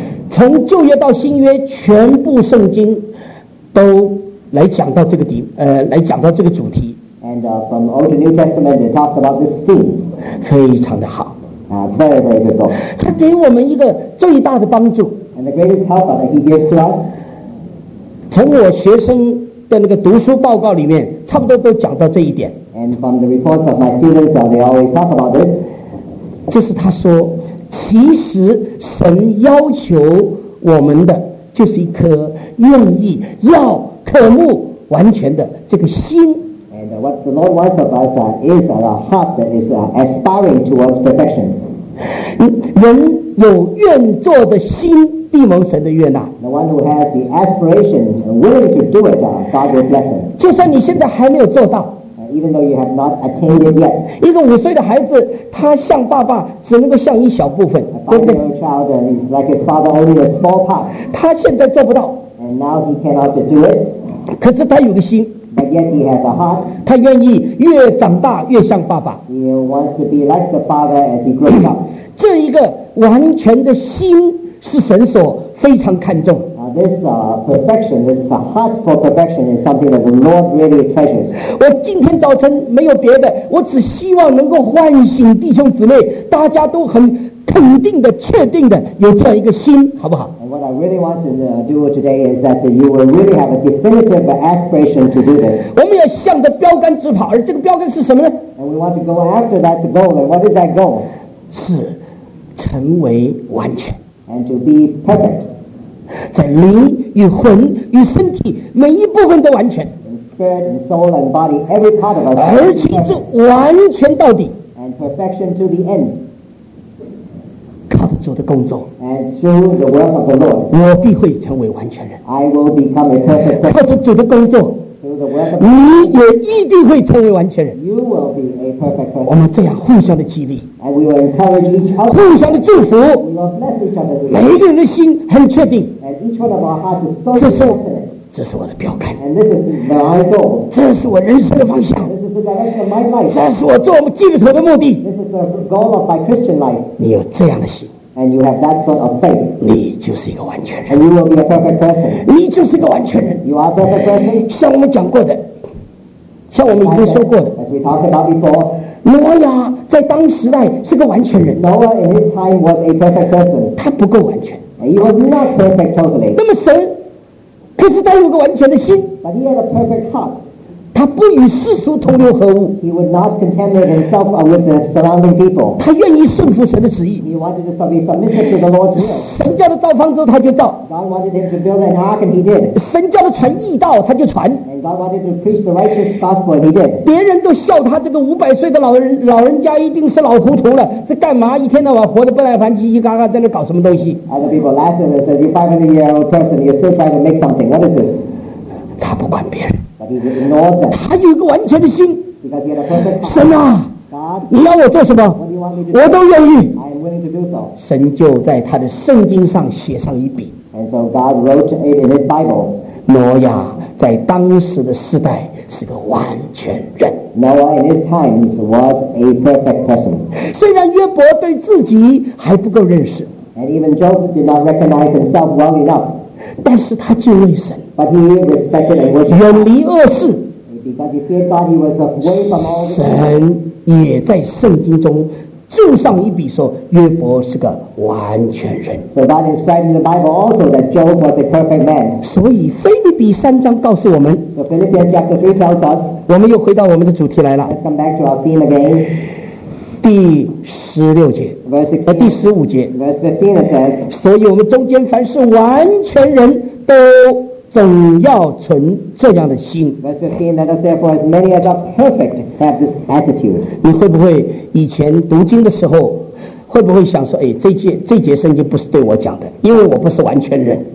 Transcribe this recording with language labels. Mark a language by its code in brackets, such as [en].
[zh] 从旧约到新约，全部圣经都来讲到这个来讲到这个主题。 [en] And from Old to New Testament, it talks about this theme. [zh] 非常的好。 [en] Very, very good book. [zh] 他给我们一个最大的帮助。 [en] And the greatest help that he gives to us. [zh] 从我学生的那个读书报告里面，差不多都讲到这一点。 [en] And from the reports of my students, they always talk about this. [zh] 就是他说，其实神要求我们的就是一颗愿意要渴慕完全的这个心。 [en] What the Lord wants of us is a heart that is aspiring towards perfection. [zh] 人有愿做的心，必蒙神的悦纳。 [en] The one who has the aspiration and willing to do it, God will bless him. [zh] 就算你现在还没有做到。 [en] Even though you have not attained it yet. [zh] 一个五岁的孩子，他像爸爸，只能够像一小部分。 [en] A five-year-old child is like his father, only a small part. [zh] 他现在做不到。 [en] And now he cannot do it. [zh] 可是他有个心。 [en] But yet he has a heart. [zh] 他愿意越长大越像爸爸。 [en] He wants to be like the father as he grows up. [zh] 这一个完全的心是神所非常看重。 [en] This perfection, this heart for perfection, is something that the Lord really treasures. [zh] 我今天早晨没有别的，我只希望能够唤醒弟兄姊妹，大家都很肯定的、确定的有这样一个心，好不好？ [en] What I really want to do today is that you will really have a definitive aspiration to do this. [zh] 我们要向着标杆直跑，而这个标杆是什么呢？ [en] And we want to go after that goal. And what is that goal? [zh] 是成为完全。 [en] And to be perfect. [zh] 在灵与魂与身体每一部分都完全。 [en] In spirit and soul and body, every part of us. [zh] 而且是完全到底。 [en] And perfection to the end. [zh] 靠着主的工作， [en] and through the work of the Lord, [zh] 我必会成为完全人。 [en] I will become a perfect person. [zh] 靠着主的工作， [en] through the work of the Lord, [zh] 你也一定会成为完全人。 [en] You will be a perfect person. [zh] 我们这样互相的激励， [en] and we will encourage each other. [zh] 互相的祝福， [en] we will bless each other. [zh] 每一个人的心很确定， [en] and each one of our hearts is so confident. [zh] 这是我的标杆， [en] and this is my goal. [zh] 这是我人生的方向。这是我做基督徒的目的。 [en] This is the goal of my Christian life. [zh] 你有这样的心， [en] and you have that sort of faith. [zh] 你就是一个完全人， [en] and you will be a perfect person. [zh] 你就是一个完全人， [en] you are a perfect person. [zh] 像我们讲过的，像我们已经说过的， [en] as we talked about before, [zh] 挪亚在当时代是个完全人。 [en] Noah in his time was a perfect person. [zh] 他不够完全， [en] and he was not perfect totally. [zh] 那么神，可是他有个完全的心， [en] but he had a perfect heart. [zh] 他不与世俗同流合污。 [en] He would not contaminate himself with the surrounding people. [zh] 他愿意顺服神的旨意。 [en] He wanted to be submitted to the Lord's will. [zh] 神叫他造方舟，他就造。 [en] God wanted him to build an ark, and he did. [zh] 神叫他传义道，他就传。 [en] And God wanted to preach the righteous gospel, and he did. [zh] 别人都笑他这个五百岁的老人家一定是老糊涂了，是干嘛？一天到晚活得不耐烦，叽叽嘎嘎在那搞什么东西 [en] ？Other people laughed at him and said, "You 500-year-old person, you're still trying to make something. What is this?" [zh] 他不管别人。 [en] But he ignored them. [zh] 他有个完全的心。 [en] Because he had a perfect heart. [zh] 神啊，你要我做什么？ [en] What do you want me to do? [zh] 我都愿意。 [en] I am willing to do so. [zh] 神就在他的圣经上写上一笔。 [en] And so God wrote it in his Bible. [zh] 挪亚在当时的时代是个完全人。 [en] Noah in his times was a perfect person. [zh] 虽然约伯对自己还不够认识。 [en] And even Job did not recognize himself well enough. [zh] 但是他敬畏神。 [en] But he respected and worshiped. [zh] 远离恶事。 [en] Because he feared God, he was away from all. [zh] 神也在圣经中注上一笔说约伯是个完全人。 [en] So God inscribed in the Bible also that Job was a perfect man. [zh] 所以腓立比三章告诉我们。 [en] So Philippians chapter 3 tells us. [zh] 我们又回到我们的主题来了。 [en] Let's come back to our theme again. [zh] 第十六节。 [en] Verse 16. [zh] 第十五节。 [en] Verse 15 it says. [zh] 所以我们中间凡是完全人都总要存这样的心。 [en] Verse 15, let us therefore as many as are perfect have this attitude. [zh] 你会不会以前读经的时候，会不会想说，哎，这节圣经不是对我讲的，因为我不是完全人。